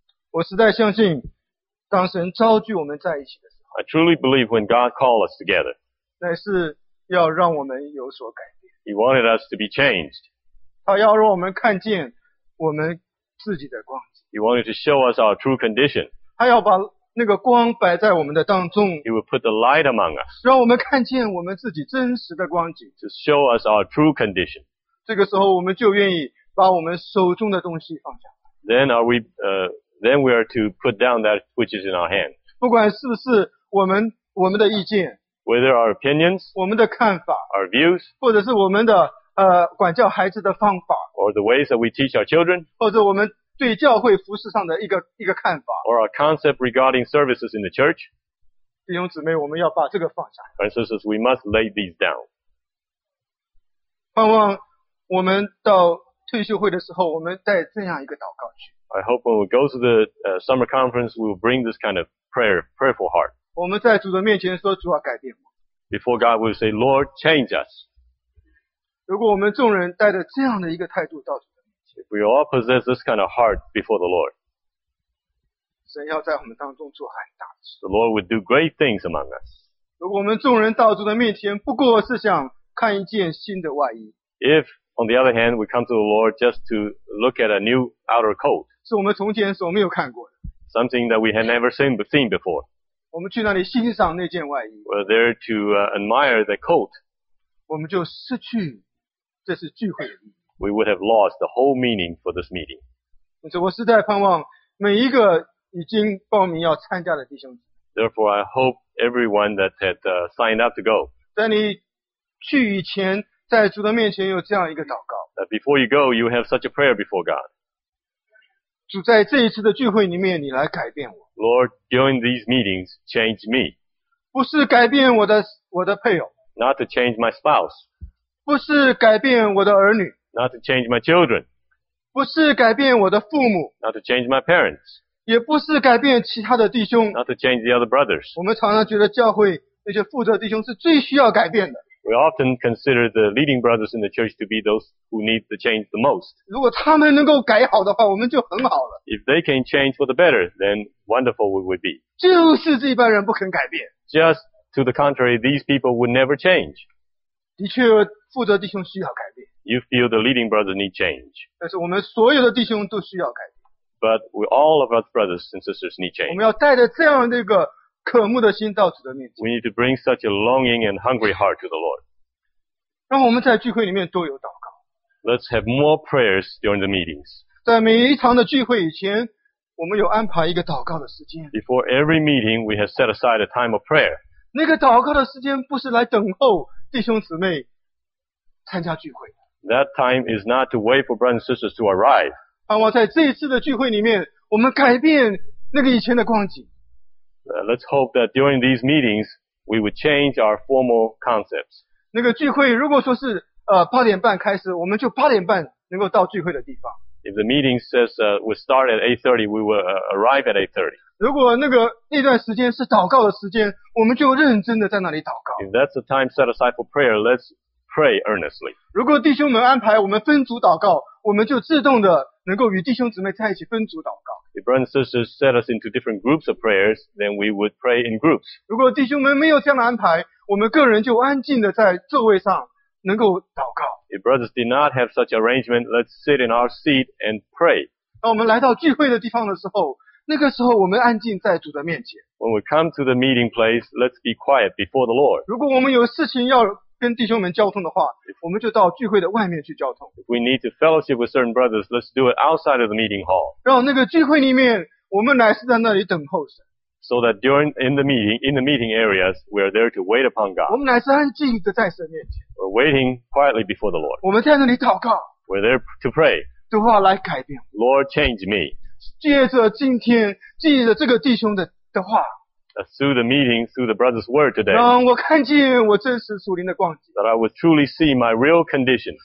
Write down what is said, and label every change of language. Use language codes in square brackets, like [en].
[zh] 我实在相信，当神召聚我们在一起的时候 [en] ，I truly believe when God called us together, [zh] 乃是要让我们有所改变。 [en] He wanted us to be changed. [zh] 他要让我们看见我们自己的光景。 [en] He wanted to show us our true condition. [zh] 他要把那个光摆在我们的当中。 [en] He would put the light among us. [zh] 让我们看见我们自己真实的光景。 [en] To show us our true condition. [zh] 这个时候我们就愿意把我们手中的东西放下。 [en] Then we are to put down that which is in our hand. [zh] 不管是不是我们的意见。 [en] Whether our opinions. [zh] 我们的看法。 [en] Our views. [zh] 或者是我们的管教孩子的方法 [en] or the ways that we teach our children, [zh] 或者我们对教会服事上的一个看法 [en] or our concept regarding services in the church, [zh] 弟兄姊妹我们要把这个放下 [en] and sisters, we must lay these down. [zh] 盼望我们到退休会的时候我们带这样一个祷告去 [en] I hope when we go to the summer conference, we will bring this kind of prayerful heart. [zh] 我们在主的面前说主啊改变我 [en] Before God, we will say, Lord, change us. [zh] 如果我们众人带着这样的一个态度到主的面前 [en] If we all possess this kind of heart before the Lord, [zh] 神要在我们当中做很大的事 [en] The Lord would do great things among us. [zh] 如果我们众人到主的面前不过是想看一件新的外衣 [en] If, on the other hand, we come to the Lord just to look at a new outer coat, [zh] 是我们从前所没有看过的 [en] something that we had never seen before. [zh] 我们去那里欣赏那件外衣 [en] We're there to admire the coat. [zh] 我们就失去这次聚会的意义。 [en] We would have lost the whole meaning for this meeting. [zh] 所以我实在盼望每一个已经报名要参加的弟兄姊妹。 [en] Therefore, I hope everyone that had signed up to go. [zh] 在你去以前，在主的面前有这样一个祷告。 [en] That before you go, you have such a prayer before God. [zh] 主在这一次的聚会里面，你来改变我。 [en] Lord, during these meetings, change me. [zh] 不是改变我的配偶。 [en] Not to change my spouse. [zh] 不是改变我的儿女。 [en] Not to change my children. [zh] 不是改变我的父母。 [en] Not to change my parents. [zh] 也不是改变其他的弟兄。 [en] Not to change the other brothers. [zh] 我们常常觉得教会那些负责弟兄是最需要改变的。 [en] We often consider the leading brothers in the church to be those who need the change the most. [zh] 如果他们能够改好的话，我们就很好了。 [en] If they can change for the better, then wonderful we would be. [zh] 就是这般人不肯改变。 [en] Just To the contrary, these people would never change. [zh] 的确，负责弟兄需要改变。 [en] You feel the leading brother need change. [zh] 但是我们所有的弟兄都需要改变。 [en] But we, all of us brothers and sisters need change. [zh] 我们要带着这样的一个渴慕的心到主的面前。 [en] We need to bring such a longing and hungry heart to the Lord. [zh] 让我们在聚会里面多有祷告。 [en] Let's have more prayers during the meetings. [zh] 在每一场的聚会以前，我们有安排一个祷告的时间。 [en] Before every meeting, we have set aside a time of prayer. [zh] 那个祷告的时间不是来等候弟兄姊妹参加聚会。 [en] That time is not to wait for brothers and sisters to arrive. [zh] 盼望在这一次的聚会里面，我们改变那个以前的光景。 [en] Let's hope that during these meetings, we would change our formal concepts. [zh] 那个聚会如果说是八点半开始，我们就八点半能够到聚会的地方。 [en] If the meeting says we start at 8:30, we will arrive at 8:30. [zh] 如果那段时间是祷告的时间，我们就认真的在那里祷告。 [en] If that's the time set aside for prayer, let's pray earnestly. [zh] 如果弟兄们安排我们分组祷告，我们就自动的能够与弟兄姊妹在一起分组祷告。 [en] If brothers and sisters set us into different groups of prayers, then we would pray in groups. [zh] 如果弟兄们没有这样的安排，我们个人就安静的在座位上能够祷告。 [en] If brothers did not have such arrangement, let's sit in our seat and pray. [zh] 当我们来到聚会的地方的时候，那个时候我们安静在主的面前。 [en] When we come to the meeting place, let's be quiet before the Lord. [zh] 如果我们有事情要跟弟兄们交通的话，我们就到聚会的外面去交通。 [en] If we need to fellowship with certain brothers, let's do it outside of the meeting hall. [zh] 让那个聚会里面，我们乃是在那里等候神。 [en] So that during in the meeting areas, we are there to wait upon God. [zh] 我们乃是安静的在神面前。 [en] We're waiting quietly before the Lord. [zh] 我们在那里祷告。 [en] We're there to pray. [zh] 主啊，来改变。 [en] Lord, change me. [zh] 借着今天，借着这个弟兄的话。 [en] Through the meeting, through the brother's word today. [zh] 让我看见我真实属灵的光景。 [en] That I would truly see my real condition.